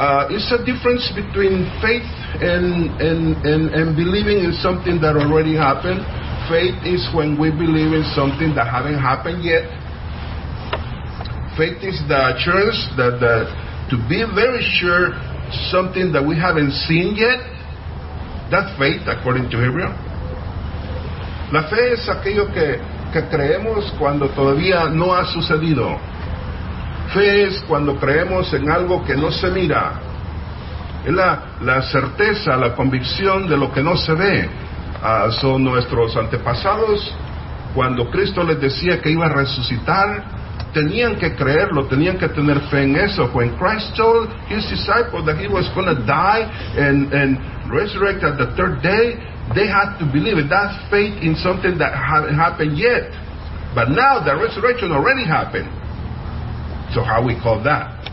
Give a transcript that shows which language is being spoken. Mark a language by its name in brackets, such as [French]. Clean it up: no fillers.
[English] It's a difference between faith and believing in something that already happened. Faith is when we believe in something that haven't happened yet. Faith is the assurance that to be very sure something that we haven't seen yet. That's faith, according to Hebrew. [Spanish] La fe es aquello que creemos cuando todavía no ha sucedido. Fe es cuando creemos en algo que no se mira. Es la certeza, la convicción de lo que no se ve. Son nuestros antepasados, cuando Cristo les decía que iba a resucitar, tenían que creerlo, tenían que tener fe en eso. [English] When Christ told his disciples that he was going to die and resurrect at the third day, they had to believe it. That's faith in something that hadn't happened yet. But now the resurrection already happened. So how we call that?